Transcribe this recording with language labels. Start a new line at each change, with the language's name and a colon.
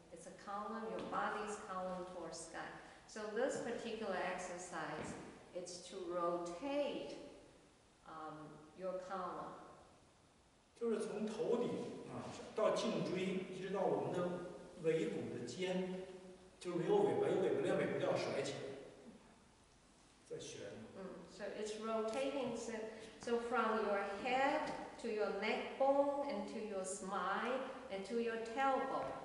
English: It's a column, your body's column toward sky. So this particular exercise is to rotate your column.
Chinese: 就是从头顶啊，到颈椎，一直到我们的尾骨的肩，就是尾骨，连尾骨都要甩起来，再旋。So
English: it's rotating. So from your head to your neck bone, and to your spine, and to your tailbone.